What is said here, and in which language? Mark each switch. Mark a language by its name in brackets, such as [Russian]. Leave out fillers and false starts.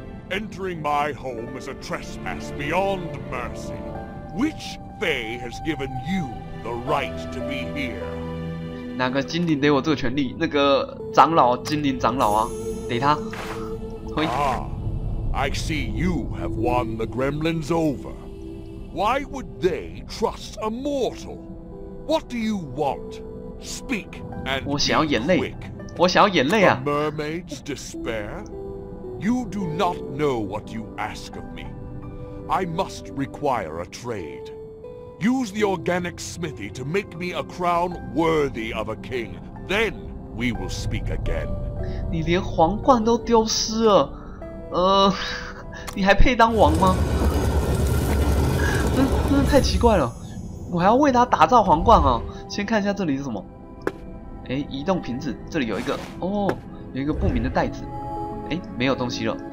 [English] Entering my home is a trespass beyond mercy. Which fae has given you the right to be here? [Chinese] 哪个精灵给我这个权利？那个长老，精灵长老啊，给他。喂。 [English] Ah, I see you have won the gremlins over. Why would they trust a mortal? What do you want? Speak and be quick. [Chinese] 我想要眼泪，我想要眼泪啊。 [English] The mermaid's despair? You do not know what you ask of me. I must require a trade. Use the organic smithy to make me a crown worthy of a king. Then we will speak again. [Chinese] 你连皇冠都丢失了，你还配当王吗？真的太奇怪了，我还要为他打造皇冠啊！先看一下这里是什么。哎，移动瓶子，这里有一个哦，有一个不明的袋子。哎，没有东西了。